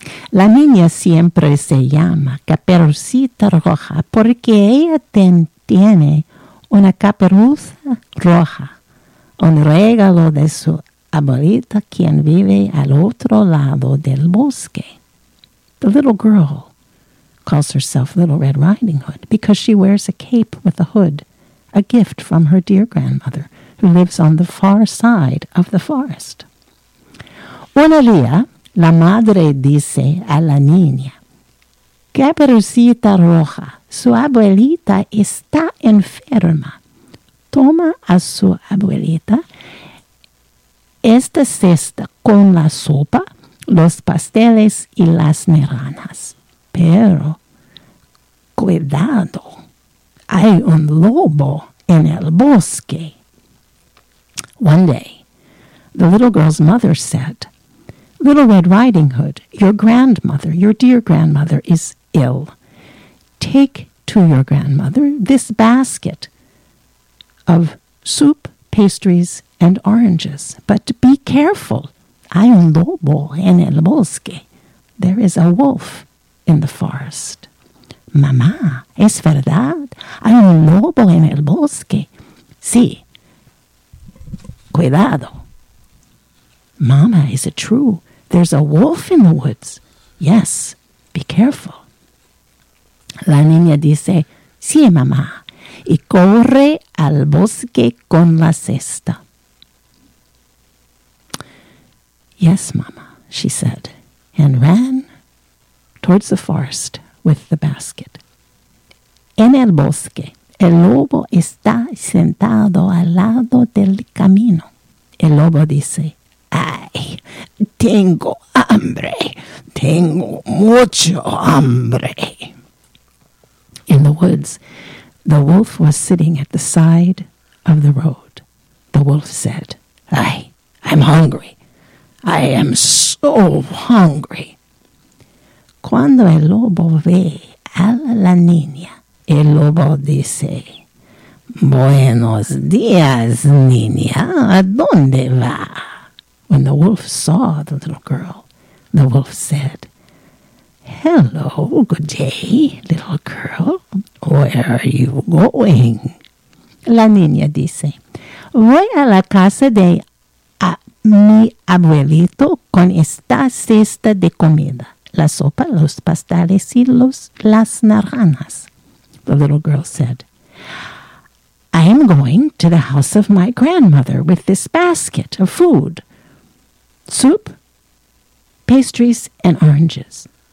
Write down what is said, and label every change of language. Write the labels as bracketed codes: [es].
[es] La niña siempre se llama Caperucita Roja porque ella tiene una caperuza roja, un regalo de su abuelita quien vive al otro lado del bosque. [en] The little girl calls herself Little Red Riding Hood because she wears a cape with a hood, a gift from her dear grandmother, who lives on the far side of the forest. [es] Un día, la madre dice a la niña, Caperucita Roja, su abuelita está enferma. Toma a su abuelita esta cesta con la sopa, los pasteles y las naranjas. Pero, cuidado, hay un lobo en el bosque. [en] One day, the little girl's mother said, Little Red Riding Hood, your grandmother, your dear grandmother, is ill. Take to your grandmother this basket of soup, pastries, and oranges. But be careful. [es] Hay un lobo en el bosque. [en] There is a wolf in the forest. [es] Mamá, ¿es verdad? Hay un lobo en el bosque. Sí. Cuidado. [en] Mama, is it true? There's a wolf in the woods. Yes, be careful. [es] La niña dice, sí, mamá. Y corre al bosque con la cesta. [en] Yes, mamá, she said, and ran towards the forest with the basket. [es] En el bosque, el lobo está sentado al lado del camino. El lobo dice, ¡ay, tengo hambre! ¡Tengo mucho hambre! [en] In the woods, the wolf was sitting at the side of the road. The wolf said, ¡ay, I'm hungry! ¡I am so hungry! [es] Cuando el lobo ve a la niña, el lobo dice, Buenos días, niña, ¿a dónde va? [en] When the wolf saw the little girl, the wolf said, Hello, good day, little girl, where are you going? [es] La niña dice, Voy a la casa de mi abuelito con esta cesta de comida, la sopa, los pastales y las naranjas. [en] The little girl said, I am going to the house of my grandmother with this basket of food, soup, pastries, and oranges.